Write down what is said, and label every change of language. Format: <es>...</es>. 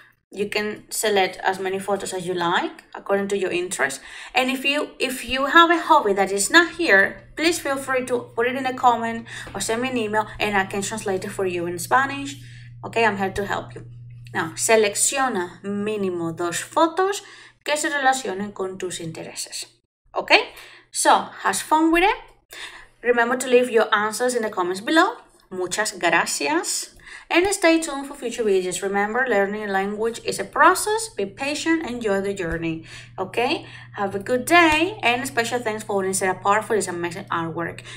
<en>You can select as many photos as you like, according to your interest. And if you have a hobby that is not here, please feel free to put it in a comment or send me an email and I can translate it for you in Spanish. Okay, I'm here to help you.</en> <es>Now, selecciona mínimo dos fotos que se relacionen con tus intereses.</es> <en>Okay? So, have fun with it. Remember to leave your answers in the comments below.</en> <es>Muchas gracias.</es> <en>And stay tuned for future videos. Remember, learning a language is a process. Be patient, enjoy the journey. Okay? Have a good day. And special thanks for being set apart for this amazing artwork.</en>